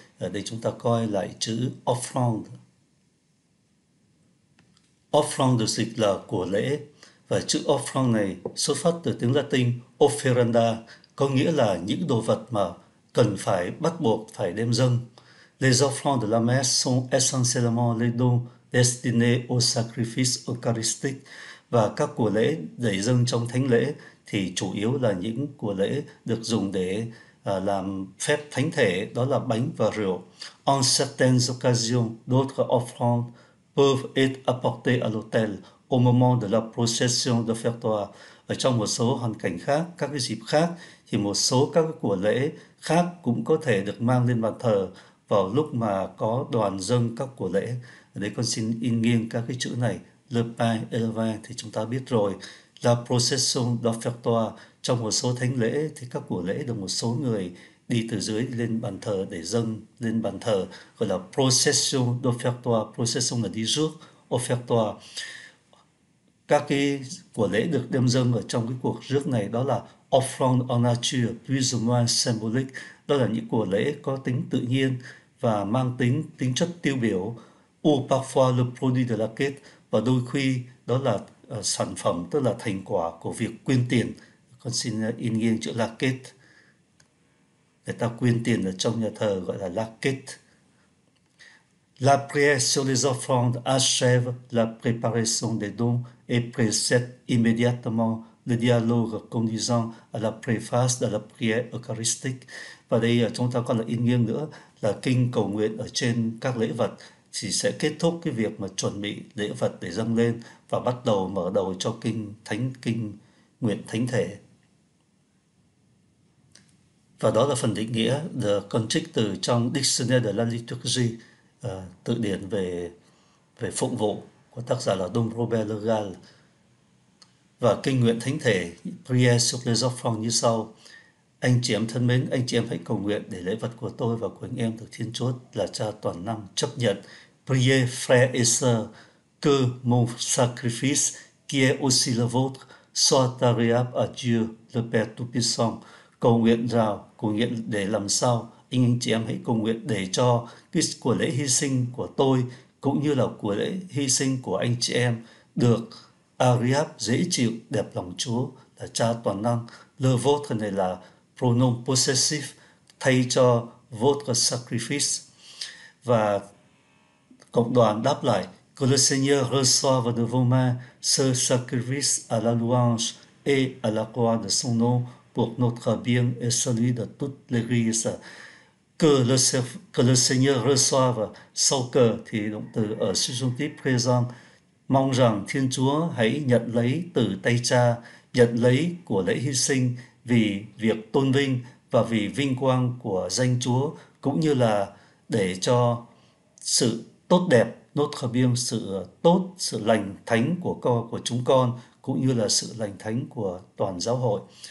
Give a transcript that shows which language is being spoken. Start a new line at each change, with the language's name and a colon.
Vietnamese: Ở đây chúng ta coi lại chữ offrande. Offrande được dịch là của lễ. Và chữ offrande này xuất phát từ tiếng Latin offeranda, có nghĩa là những đồ vật mà cần phải bắt buộc phải đem dâng.
French: Les offrandes de la messe sont essentiellement les dons destinés au sacrifice eucharistique.
Vietnamese: Và các của lễ để dâng trong thánh lễ thì chủ yếu là những của lễ được dùng để làm phép thánh thể, đó là bánh và rượu.
French: En certaines occasions, d'autres offrandes peuvent être apportées à l'autel. Au moment de la procession de fertoire,
Vietnamese: ở trong một số hoàn cảnh khác, các cái dịp khác, thì một số các cái của lễ khác cũng có thể được mang lên bàn thờ vào lúc mà có đoàn dâng các của lễ. Ở đây con xin in nghiêng các cái chữ này,
French: le pain et le vin
Vietnamese: thì chúng ta biết rồi.
French: La procession de fertoire,
Vietnamese: trong một số thánh lễ thì các của lễ được một số người đi từ dưới lên bàn thờ để dâng lên bàn thờ, gọi là procession de fertoire, procession là đi trước, offertoire. Các cái của lễ được đem dâng ở trong cái cuộc rước này đó là
French: offrande en nature plus ou moins symbolique,
Vietnamese: đó là những của lễ có tính tự nhiên và mang tính chất tiêu biểu.
French: Ou parfois le produit de la quête,
Vietnamese: và đôi khi đó là sản phẩm, tức là thành quả của việc quyên tiền. Con xin in nghiêng chữ la quête, người ta quyên tiền ở trong nhà thờ gọi là la quête.
French: La prière sur les offrandes achève la préparation des dons et précède immédiatement le dialogue conduisant à la préface de la prière eucharistique.
Vietnamese: Và đây chúng ta còn là in nghiêng nữa là kinh cầu nguyện ở trên các lễ vật thì sẽ kết thúc cái việc mà chuẩn bị lễ vật để dâng lên và bắt đầu mở đầu cho kinh thánh, kinh nguyện thánh thể. Và đó là phần định nghĩa được con trích từ trong Dictionnaire de la Liturgie, tự điển về phụng vụ của tác giả là Dom Robert Le Gall. Và kinh nguyện thánh thể
French: Prière sur les offrandes
Vietnamese: như sau: anh chị em thân mến, anh chị em hãy cầu nguyện để lễ vật của tôi và của anh em được Thiên Chúa là Cha toàn năng chấp nhận.
French: Priez frères et sœurs que mon sacrifice qui est aussi le vôtre soit agréable à Dieu le Père tout puissant.
Vietnamese: Cầu nguyện rào, cầu nguyện để làm sao anh chị em hãy cầu nguyện để cho cái của lễ hy sinh của tôi cũng như là của lễ hy sinh của anh chị em được agréable, dễ chịu, đẹp lòng Chúa là Cha toàn năng.
French: Le vôtre
Vietnamese: này là pronom possessif thay cho votre sacrifice. Và cộng đoàn đáp lại:
French: que le Seigneur reçoive de vos mains ce sacrifice à la louange et à la gloire de son nom pour notre bien et celui de toute l'Église. Que le Seigneur reçoive
Vietnamese: sau cơ thì động từ ở subjonctif présent, mong rằng Thiên Chúa hãy nhận lấy từ tay cha, nhận lấy của lễ hy sinh vì việc tôn vinh và vì vinh quang của danh Chúa, cũng như là để cho sự tốt đẹp,
French: notre bien,
Vietnamese: sự tốt, sự lành thánh của chúng con, cũng như là sự lành thánh của toàn giáo hội.